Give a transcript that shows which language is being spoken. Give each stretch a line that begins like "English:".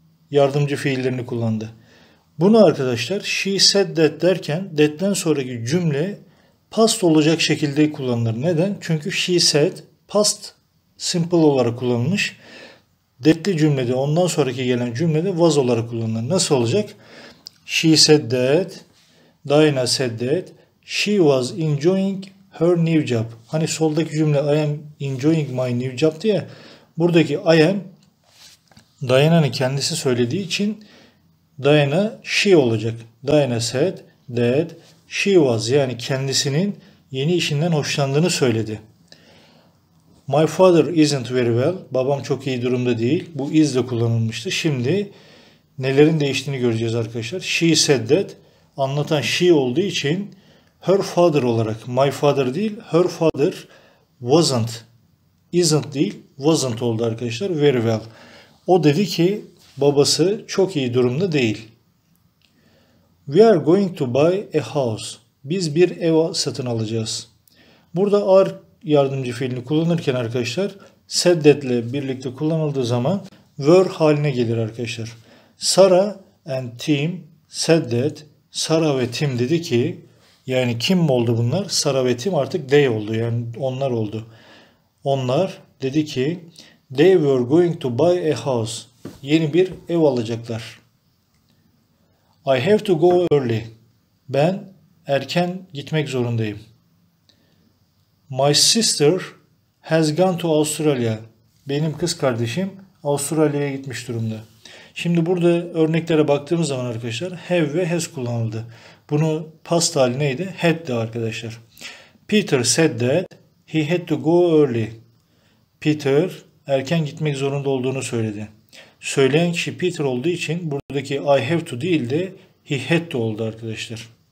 Turkish: Yardımcı fiillerini kullandı. Bunu arkadaşlar
English: she said that
Turkish: derken that'ten sonraki cümle past olacak şekilde kullanılır. Neden? Çünkü she said past simple olarak kullanılmış. That'li cümlede, ondan sonraki gelen cümlede was olarak kullanılır. Nasıl olacak?
English: She said that, Diana said that, she was enjoying her new job.
Turkish: Hani soldaki cümle
English: I am enjoying my new job
Turkish: diye. Buradaki I am, Diana'nın kendisi söylediği için Diana, she olacak.
English: Diana said that, she was,
Turkish: yani kendisinin yeni işinden hoşlandığını söyledi.
English: My father isn't very well.
Turkish: Babam çok iyi durumda değil. Bu is de kullanılmıştı. Şimdi nelerin değiştiğini göreceğiz arkadaşlar.
English: She said that.
Turkish: Anlatan she olduğu için
English: her father
Turkish: olarak. My father değil.
English: Her father wasn't.
Turkish: Isn't değil. Wasn't oldu arkadaşlar.
English: Very well.
Turkish: O dedi ki babası çok iyi durumda değil.
English: We are going to buy a house.
Turkish: Biz bir ev satın alacağız. Burada are yardımcı fiilini kullanırken arkadaşlar said that ile birlikte kullanıldığı zaman were haline gelir arkadaşlar.
English: Sarah and Tim said that.
Turkish: Sarah ve Tim dedi ki, yani kim oldu bunlar? Sarah ve Tim artık they oldu, yani onlar oldu. Onlar dedi ki
English: they were going to buy a house.
Turkish: Yeni bir ev alacaklar.
English: I have to go early.
Turkish: Ben erken gitmek zorundayım.
English: My sister has gone to Australia.
Turkish: Benim kız kardeşim Avustralya'ya gitmiş durumda. Şimdi burada örneklere baktığımız zaman arkadaşlar have ve has kullanıldı. Bunu past hali neydi? Had'di arkadaşlar.
English: Peter said that he had to go early.
Turkish: Peter erken gitmek zorunda olduğunu söyledi. Söyleyen kişi Peter olduğu için buradaki
English: I have to
Turkish: değil de
English: he had to
Turkish: oldu arkadaşlar.